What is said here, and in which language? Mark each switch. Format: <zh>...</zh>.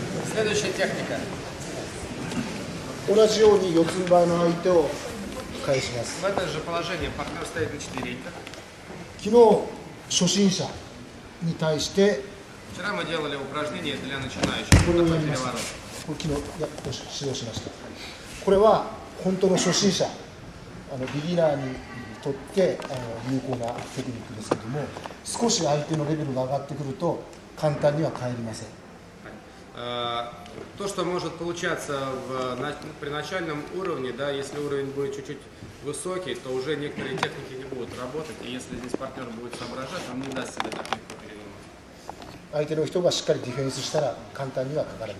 <ru>Следующая техника. В это же положение партнер стоит на четвереньках. Вчера мы делали упражнение для начинающих.</ru> <ja>とって有効なテクニックですけども、少し相手のレベルが上がってくると簡単には帰りません。</ja> <ru>То, что может получаться при начальном уровне, да, если уровень будет чуть-чуть высокий, то уже некоторые техники не будут работать, и если здесь партнер будет соображать, он не даст себе так легко переломать.</ru>